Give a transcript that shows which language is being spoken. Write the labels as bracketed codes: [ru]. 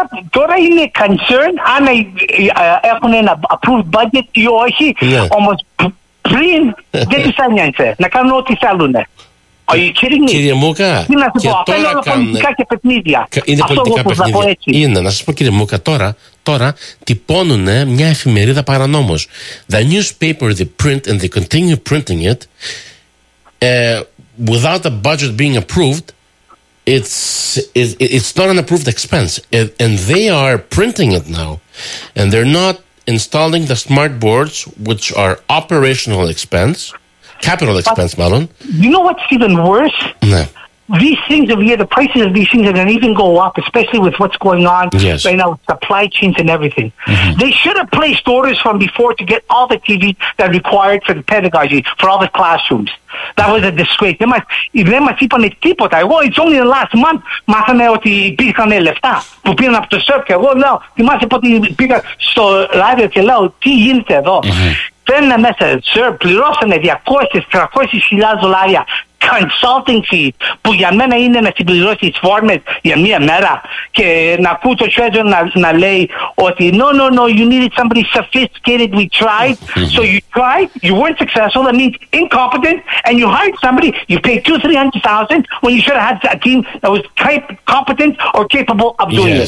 [el] Τώρα είναι concern αν έχουν ένα approved budget ή όχι. Yeah. Όμως πριν δεν τους ένιωσε να κάνουν ό,τι θέλουν. Κύριε Μούκα, είναι πολιτικά παιχνίδια. Είναι, να σας πω κύριε Μούκα, τώρα τυπώνουν μια εφημερίδα παρανόμως. [en] The newspaper they print and they continue printing it without the budget being approved, it's not an approved expense. And they are printing it now. And they're not installing the smart boards, which are operational expense. Capital expense, but, Malone. You know what's even worse? No. these things of, the prices of these things are going to even go up, especially with what's going on right now with supply chains and everything. Mm-hmm. They should have placed orders from before to get all the TV that required for the pedagogy, for all the classrooms. That was a disgrace. [el] Δεν μας είπανε τίποτα. Εγώ, [en] it's only the last month, [el] μάθαμε ότι υπήρχαν λεφτά που πήραν από το ΣΕΡΚ. Εγώ λέω, θυμάσαι πότε πήγα στο ράδιο και λέω, τι γίνεται εδώ. Φέρνε μέσα, ΣΕΡΚ, πληρώσανε 200-300.000 δολάρια consulting fees, που για μένα είναι να συμπληρώσεις φόρμες για μία μέρα και να ακούω το Treasure να λέει ότι [en] no, you needed somebody sophisticated, we tried, so you tried, you weren't successful, that means incompetent, and you hired somebody, you paid $200,000-$300,000 when you should have had a team that was competent or capable of doing